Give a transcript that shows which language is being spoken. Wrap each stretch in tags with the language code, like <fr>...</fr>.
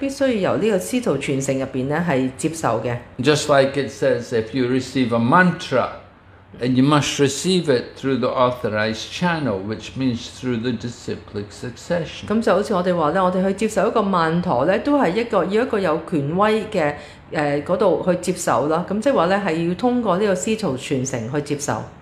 <zh>所以这个在这里讲到了,这个知识必须由这个师徒传承里面接受的。</zh> <en>Just like it says, if you receive a mantra, and you must receive it through the authorized channel, which means through the disciplic succession.</en> <zh>就好像我们说,我们去接受一个曼陀,都是一个有权威的 那裡去接受,即是說是要通過這個師徒傳承去接受。</zh>